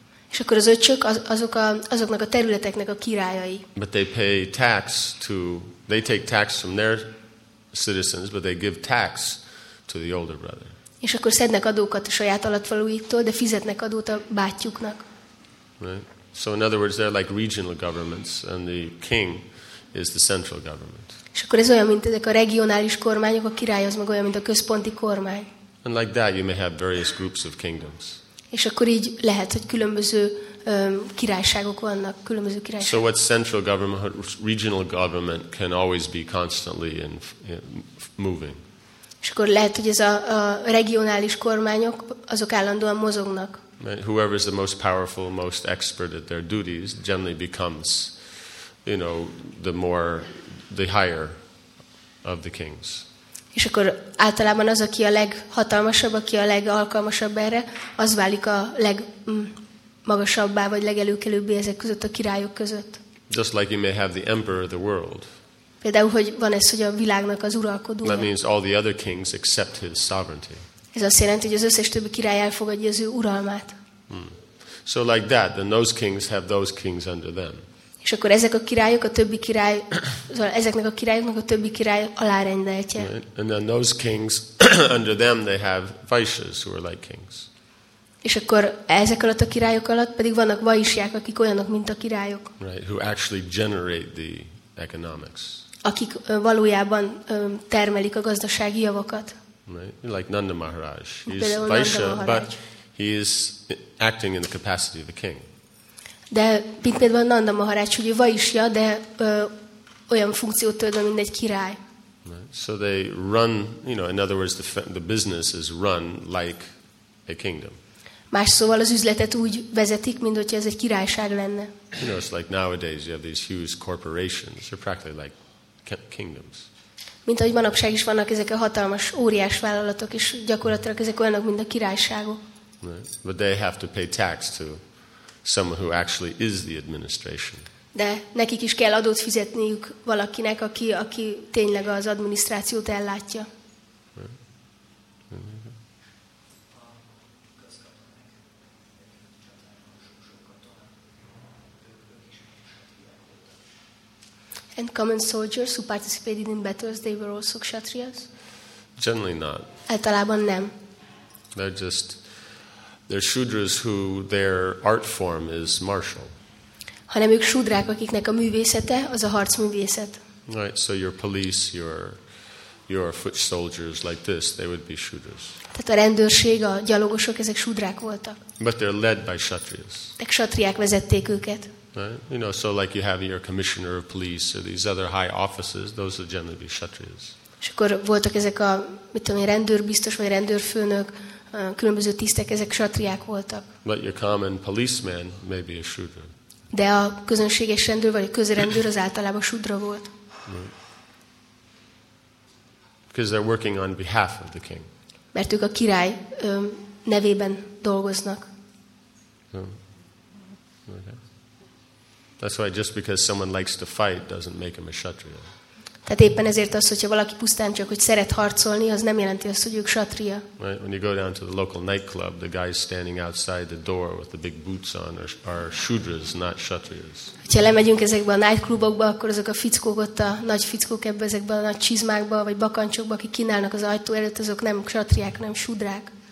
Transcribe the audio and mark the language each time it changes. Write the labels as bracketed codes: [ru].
[hu] És akkor az öcsök azoknak a területeknek a királyai. [en] But they pay tax to, they take tax from their citizens, but they give tax to the older brother. [hu] És akkor szednek adókat a saját alattvalóitól, de fizetnek adót a bátyjuknak. [en] Right. So in other words, they're like regional governments, and the king is the central government. [hu] És akkor ez olyan, mint ezek a regionális kormányok, a király az meg olyan, mint a központi kormány. [en] And like that, you may have various groups of kingdoms. [hu] És akkor így lehet, hogy különböző királyságok vannak, különböző királyságok. [en] So what central government, regional government can always be constantly in moving. [hu] És akkor lehet, hogy ez a regionális kormányok, azok állandóan mozognak. [en] Whoever is the most powerful, most expert at their duties generally becomes, you know, the higher of the kings. [hu] És akkor általában az, aki a leghatalmasabb, aki a legalkalmasabb erre, az válik a legmagasabbá, vagy legelőkelőbbé ezek között, a királyok között. [en] Just like you may have the emperor of the world. [hu] Például, hogy van ez, hogy a világnak az uralkodója. [en] That means all the other kings accept his sovereignty. [hu] Ez azt jelenti, hogy az összes többi király elfogadja az ő uralmát. [en] So like that, then those kings have those kings under them. [hu] És akkor ezek a királyok, a többi király, ezeknek a királyoknak a többi király alárendeltje. [en] And then those kings under them, they have vaishyas who are like kings. [hu] És akkor ezek alatt a királyok alatt pedig vannak vaisják, akik olyanok, mint a királyok. [en] Right, who actually generate the economics. [hu] Akik valójában termelik a gazdasági javakat. [en] Right? Like Nanda Maharaj. He's Vaishya, but he is acting in the capacity of a king. [hu] De mint például Nanda Maharaj, hogy ő Vaishya, de olyan funkciót tölt, mint egy király. [en] Right? So they run, you know, in other words, the business is run like a kingdom. [hu] Más szóval az üzletet úgy vezetik, mint hogyha ez egy királyság lenne. [en] You know, it's like nowadays you have these huge corporations. They're practically like kingdoms. [hu] Mint ahogy manapság is vannak ezek a hatalmas, óriás vállalatok, és gyakorlatilag ezek olyanok, mint a királyságok. [en] But they have to pay tax to someone who actually is the administration. [hu] De nekik is kell adót fizetniük valakinek, aki tényleg az adminisztrációt ellátja. [en] And common soldiers who participated in battles, they were also kshatriyas? Generally not. [hu] Általában nem. [en] They're shudras who their art form is martial. [hu] Hanem ők shudrák, akiknek a művészete az a harcművészet. [en] Right, so your police, your foot soldiers like this, they would be shudras. [hu] Tehát a rendőrség, a gyalogosok, ezek shudrák voltak. [en] But they're led by kshatriyas. [hu] De kshatriák vezették őket. [en] Right? You know, so like you have your commissioner of police or these other high offices, those are generally be kshatriyas. [hu] És akkor voltak ezek a, mit tudom, rendőrbiztos vagy rendőrfőnök, különböző tisztek, ezek kshatriák voltak. [en] But your common policeman may be a shudra. [hu] De a közönséges rendőr vagy a közrendőr az általában shudra volt. [en] Right. Because they're working on behalf of the king. [hu] Mert ők a király nevében dolgoznak. [en] That's why just because someone likes to fight doesn't make him a kshatriya. [hu] Tehát éppen ezért az, hogyha valaki pusztán csak, hogy szeret harcolni, az nem jelenti azt, hogy ő kshatriya. [en] Right? When you go down to the local nightclub, the guys standing outside the door with the big boots on are shudras, not kshatriyas. [hu] Ha lemegyünk ezekbe a nightclubokba, akkor azok a fickók ott, a nagy fickók ebbe, ezekbe a nagy csizmákba, vagy bakancsokba, akik kínálnak az ajtó előtt, azok nem kshatriák, nem shudrák.